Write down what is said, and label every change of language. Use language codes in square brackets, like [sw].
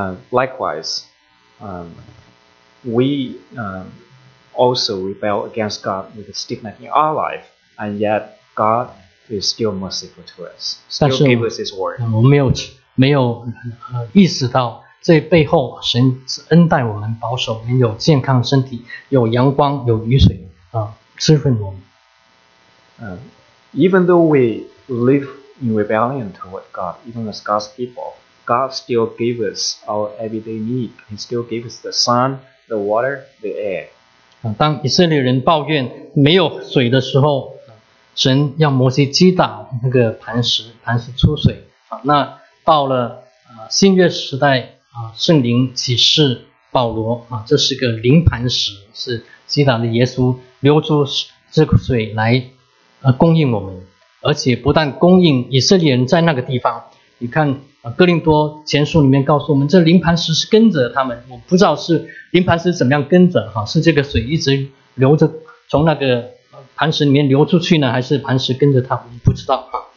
[en] Likewise, we also rebel against God with a stiff neck in our life, and yet God is still merciful to us, still gave us His word. [zh] 我们没有没有意识到这背后神恩待我们，保守我们有健康身体，有阳光，有雨水滋润我们。 [en] Even though we live in rebellion toward God, even as God's people, God still gave us our everyday need. He still gave us the sun, the water, the air. [zh] 当以色列人抱怨没有水的时候，神要摩西击打那个磐石出水。那到了新约时代，圣灵启示保罗，这是个灵磐石，是击打的耶稣流出这个水来供应我们，而且不但供应以色列人在那个地方，你看哥林多前书里面告诉我们，这灵磐石是跟着他们，我不知道是灵磐石怎么样跟着，是这个水一直流着从那个磐石里面流出去呢，还是磐石跟着他，我不知道，